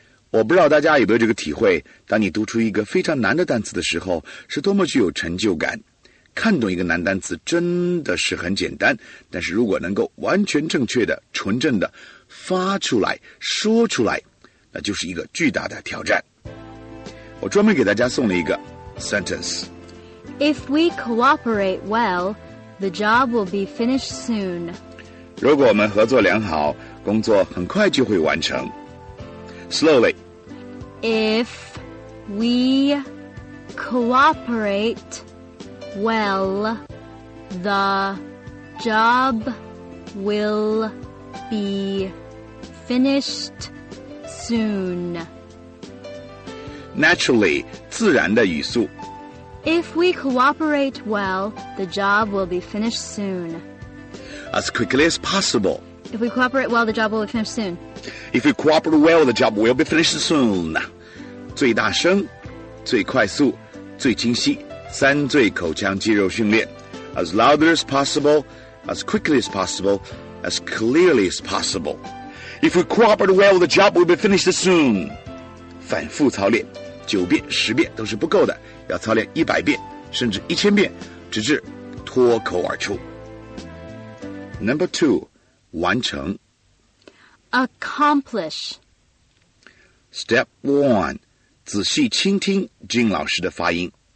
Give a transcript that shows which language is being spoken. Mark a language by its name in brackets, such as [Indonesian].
[Chinese] 我不知道大家有没有这个体会，当你读出一个非常难的单词的时候，是多么具有成就感。看懂一个难单词真的是很简单，但是如果能够完全正确的、纯正的发出来、说出来，那就是一个巨大的挑战。我专门给大家送了一个 sentence。 [English] If we cooperate well, the job will be finished soon. [Chinese] 如果我们合作良好，工作很快就会完成。 [English] Slowly. If we cooperate well, the job will be finished soon. Naturally, [Chinese] 自然的语速。 [English] If we cooperate well, the job will be finished soon. As quickly as possible. If we cooperate well, the job will be finished soon. If we cooperate well, the job will be finished soon. [Chinese] 最大声，最快速，最清晰，三最口腔肌肉训练。 [English] As louder as possible, as quickly as possible, as clearly as possible. If we cooperate well, the job will be finished soon. [Chinese] 反复操练，九遍、十遍都是不够的，要操练100遍，甚至1000遍，直至脱口而出。 [English] Number two, [Chinese] 完成。 [English] Accomplish. Step one, [Chinese] 仔细倾听金老师的发音。